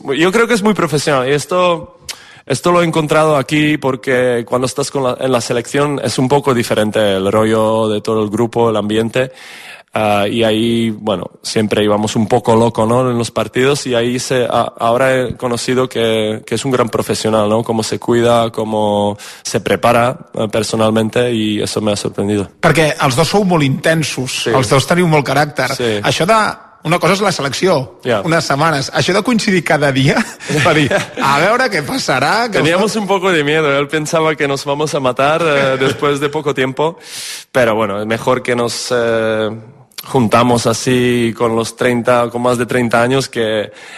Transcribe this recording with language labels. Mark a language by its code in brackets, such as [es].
[es] Yo creo que es muy profesional, y esto lo he encontrado aquí porque cuando estás en la selección es un poco diferente el rollo de todo el grupo, el ambiente. Y ahí, bueno, siempre íbamos un poco loco, ¿no? En los partidos, y ahí ahora he conocido que es un gran profesional, ¿no? Cómo se cuida, cómo se prepara personalmente, y eso me ha sorprendido. [ca] Perquè els dos sou molt intensos, sí. Els dos teniu molt caràcter. Sí. Això de... Una cosa és la selecció, [en] yeah. [ca] Unes setmanes. Això de coincidir cada dia, va dir, a veure què passarà. [es] Teníamos un poco de miedo. Él pensaba que nos vamos a matar después de poco tiempo. Pero bueno, mejor que nos juntamos así con más de 30 años que